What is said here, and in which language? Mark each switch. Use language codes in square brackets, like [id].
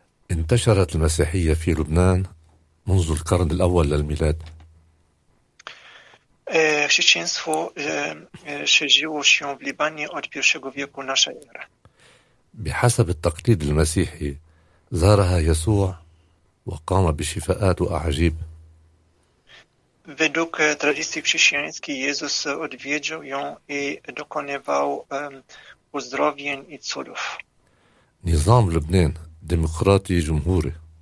[ar] انتشرت المسيحية في لبنان منذ القرن الأول للميلاد. [pl] Chrześcijaństwo szerzyło się w Libanie od pierwszego wieku naszej ery. [ar] بحسب التقليد المسيحي زارها يسوع وقام بشفاءات وأعجيب. [pl] Według tradycji chrześcijańskiej Jezus odwiedził ją i dokonywał uzdrowień i cudów. [ar] نظام لبنان ديمقراطي جمهوري.